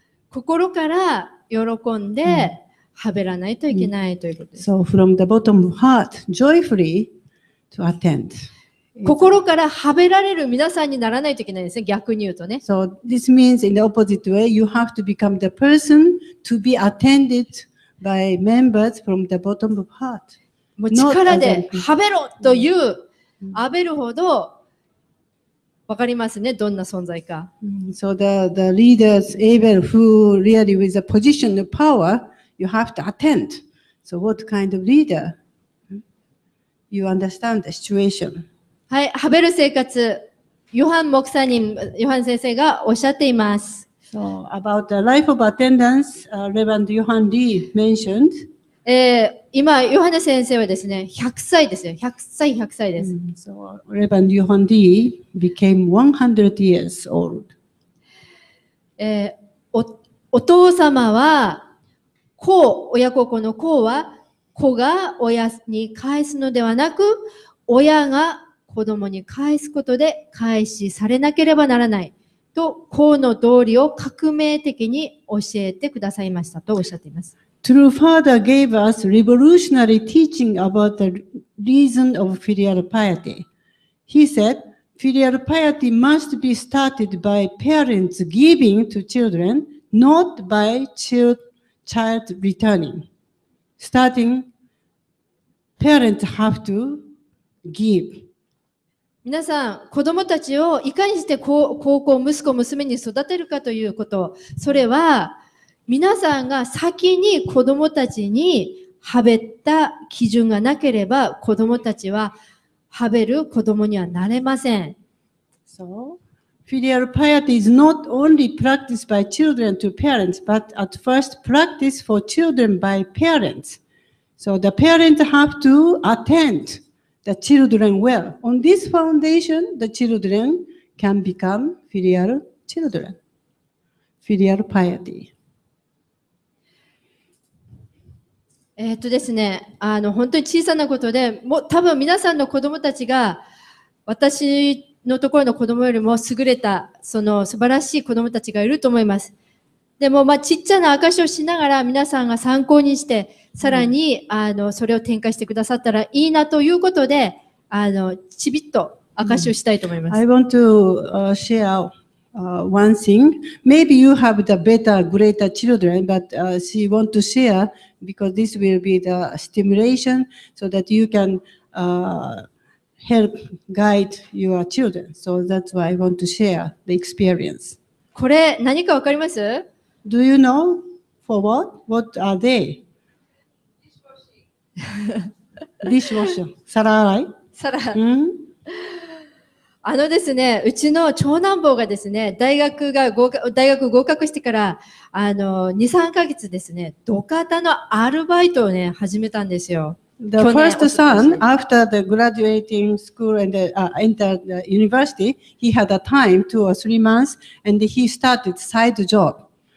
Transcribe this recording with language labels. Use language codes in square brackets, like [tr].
[ja] 心から喜んではべらないといけないということです。 [en] So from the bottom of heart, joyfully to attend. [ja] 心からはべられる皆さんにならないといけないですね。逆に言うとね。 [en] So this means in the opposite way, you have to become the person to be attended by members from the bottom of heart. [ja] もう力ではべろというアベルほど分かりますね、どんな存在か。 [en] So the leaders, Abel, who really with a position of power, you have to attend. So what kind of leader? You understand the situation. [ja] はい、はべる生活、ヨハン牧師に、ヨハン先生がおっしゃっています。 [en] So about the life of attendance, Reverend Johann Lee mentioned. [ja] 今ヨハネ先生はですね、100歳ですよ。 100歳、100歳です。 [en] So Reverend Johann Lee became 100 years old. [ja] お父様は子、親子の子は子が親に返すのではなく、親が子供に返すことで返しされなければならない。と、孔の道理を革命的に教えてくださいましたとおっしゃっています。 [en] True Father gave us revolutionary teaching about the reason of filial piety. He said, filial piety must be started by parents giving to children, not by child returning. Starting, parents have to give. [ja] 皆さん、子供たちをいかにして高校、息子、娘に育てるかということ、それは、皆さんが先に子供たちにはべった基準がなければ、子供たちははべる子供にはなれません。 [en] So, filial piety is not only practiced by children to parents, but at first practiced for children by parents. So, the parents have to attendThe children well. On this foundation, the children can become filial children. Filial piety. [ja] ですね、本当に小さなことで、もう多分皆さんの子供たちが私のところの子供よりも優れた、その素晴らしい子供たちがいると思います。でも、まあ、ちっちゃな証しをしながら皆さんが参考にして、さらに、それを展開してくださったらいいなということで、ちびっと証しをしたいと思います。 [en] I want to share one thing. Maybe you have the better, greater children, but she want to share because this will be the stimulation so that you can help guide your children. So that's why I want to share the experience. [ja] これ何かわかります？ [en] Do you know for what? What are they? Dishwasher. Dishwasher. [ja] 皿洗い? 皿。うん? あのですね、うちの長男坊がですね、大学合格してから、2、3ヶ月ですね、土方のアルバイトをね、始めたんですよ。 [en] The first son, after the graduating school and entered the university, he had a time, 2 or 3 months, and he started side job.